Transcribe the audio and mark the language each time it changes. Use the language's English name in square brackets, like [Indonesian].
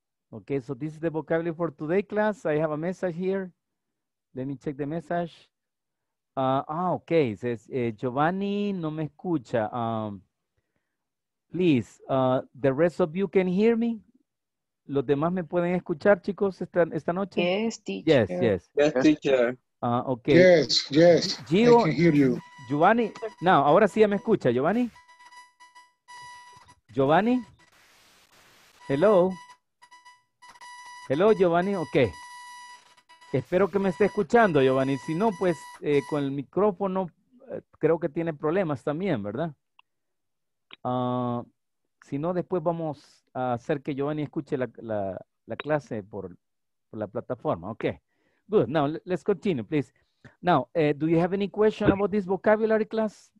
[English] Okay, so this is the vocabulary for today, class. I have a message here. Let me check the message. Okay, it says, Giovanni [Spanish] no me escucha. [English] Please, the rest of you can hear me. [Spanish] Los demás me pueden escuchar, chicos, esta noche. [English] Yes, teacher. Yes, yes. Yes, teacher. Okay. Yes, yes. Gio, I can hear you. [Spanish] Giovanni, now, ahora sí ya me escucha, Giovanni. [English] Giovanni. Hello. Hello, Giovanni. Okay. [Spanish] Espero que me esté escuchando, Giovanni. Si no, pues, con el micrófono, creo que tiene problemas también, ¿verdad? Si no, después vamos a hacer que Giovanni escuche la clase por la plataforma. [English] Okay. Good. Now, let's continue, please. Now, do you have any question about this vocabulary class?